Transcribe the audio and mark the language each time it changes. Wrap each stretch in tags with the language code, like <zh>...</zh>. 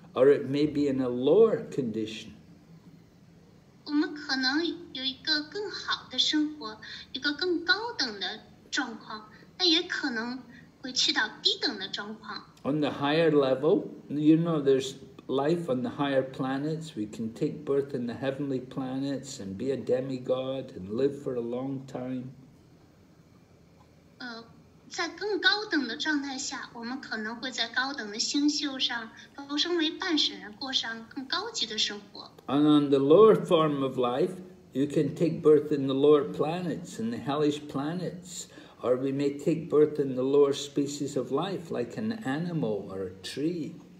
<en>or it may be in a lower condition. On the higher level, you know, there's life on the higher planets. We can take birth in the heavenly planets and be a demigod and live for a long time.</en> <zh>在更高等的状态下, 我们可能会在高等的星宿上,都成为半神人,过上更高级的生活。</zh> <en>And on the lower form of life, you can take birth in the lower planets, in the hellish planets, or we may take birth in the lower species of life, like an animal or a tree.</en>